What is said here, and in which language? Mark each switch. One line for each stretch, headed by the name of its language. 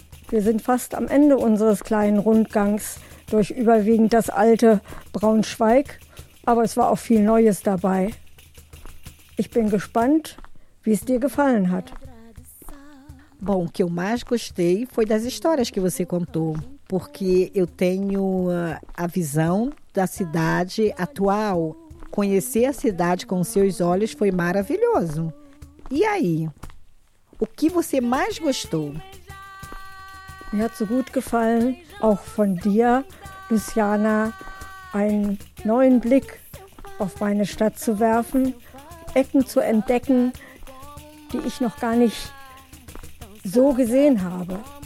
German: Wir sind fast am Ende unseres kleinen Rundgangs durch überwiegend das alte Braunschweig, aber es war auch viel Neues dabei. Ich bin gespannt, wie es dir gefallen hat.
Portuguese: Bom, o que eu mais gostei foi das histórias que você contou, porque eu tenho a visão da cidade atual. Conhecer a cidade com seus olhos foi maravilhoso. E aí, o que você mais gostou?
German: Mir hat so gut gefallen, auch von dir, Luciana, einen neuen Blick auf meine Stadt zu werfen, Ecken zu entdecken, die ich noch gar nicht so gesehen habe.